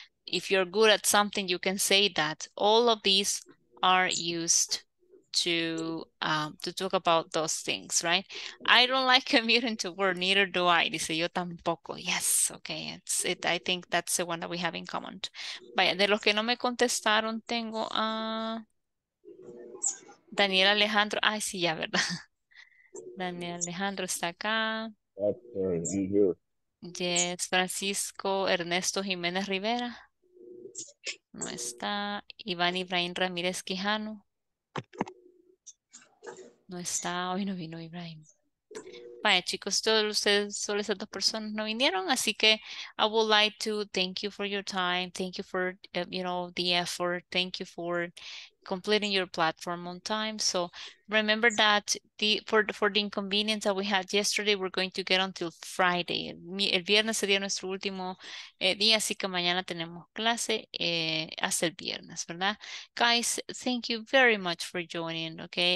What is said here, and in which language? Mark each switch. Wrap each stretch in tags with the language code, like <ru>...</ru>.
<en>If you're good at something, you can say that. All of these are used to talk about those things, right? I don't like commuting to work, neither do I.</en> <es>Dice, yo tampoco.</es> <en>Yes, okay. I think that's the one that we have in common.</en> <es>Vaya, de los que no me contestaron, tengo a Daniel Alejandro. Ay, sí, ya, ¿verdad? Daniel Alejandro está acá.</es> <en>Yes,</en> <es>Francisco Ernesto Jiménez Rivera. No está. Iván Ibrahim Ramírez Quijano. No está. Hoy no vino Ibrahim. Vaya, chicos, todos ustedes, solo esas dos personas no vinieron. Así que</es> <en>I would like to thank you for your time. Thank you for, you know, the effort. Thank you for completing your platform on time. So remember that for the inconvenience that we had yesterday, we're going to get until Friday.</en> <es>El viernes sería nuestro último día, así que mañana tenemos clase hasta el viernes, ¿verdad?</es> <en>Guys, thank you very much for joining, okay?</en>